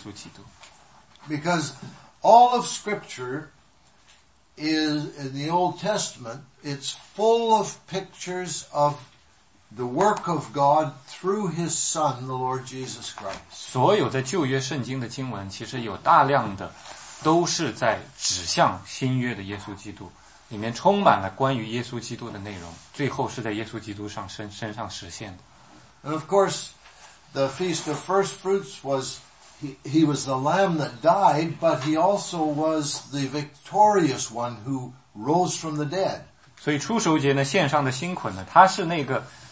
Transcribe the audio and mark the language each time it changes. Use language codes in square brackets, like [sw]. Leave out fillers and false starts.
[zh] 所以旧约这个逾越节的这整个的这个情形呢，其实是一个预表，是个影子，来帮助我们真正理解新约那个实体，就是耶稣基督。 [en] Because all of Scripture is in the Old Testament, it's full of pictures of the work of God through His Son, the Lord Jesus Christ. [zh] 所有在旧约圣经的经文，其实有大量的都是在指向新约的耶稣基督，里面充满了关于耶稣基督的内容，最后是在耶稣基督上身上实现的。 [en] And of course, the Feast of First Fruits was he was the Lamb that died, but he also was the victorious one who rose from the dead. [zh] 所以初熟节呢，献上的新捆呢，他是那个。